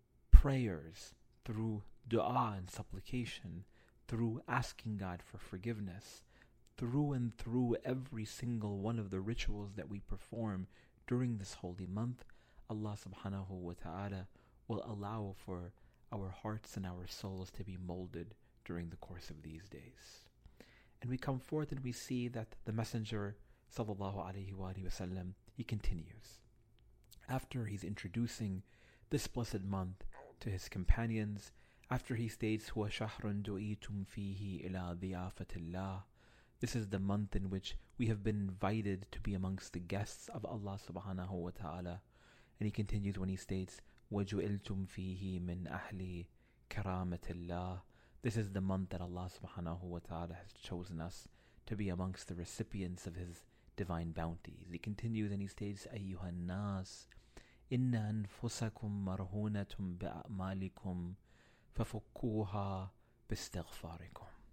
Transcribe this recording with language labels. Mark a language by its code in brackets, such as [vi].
[en] prayers, through dua and supplication, through asking God for forgiveness, through and through every single one of the rituals that we perform during this holy month, Allah subhanahu wa ta'ala will allow for our hearts and our souls to be molded during the course of these days. And we come forth and we see that the Messenger sallallahu alayhi wa sallam, he continues. After he's introducing this blessed month, to his companions after he states [ar] هو شهر دعيتم فيه إلى ضيافة الله. [en] This is the month in which we have been invited to be amongst the guests of Allah subhanahu wa ta'ala. And he continues when he states [ar] وَجُئِلْتُمْ فِيهِ مِنْ أَحْلِي كَرَامَةِ اللَّهِ. [en] This is the month that Allah subhanahu wa ta'ala has chosen us to be amongst the recipients of his divine bounties. He continues and he states [ar] أَيُّهَا النَّاسِ إِنَّ أَنفُسَكُمْ مَرْهُونَةٌ بِأَعْمَالِكُمْ فَفُكُّوهَا بِاسْتِغْفَارِكُمْ.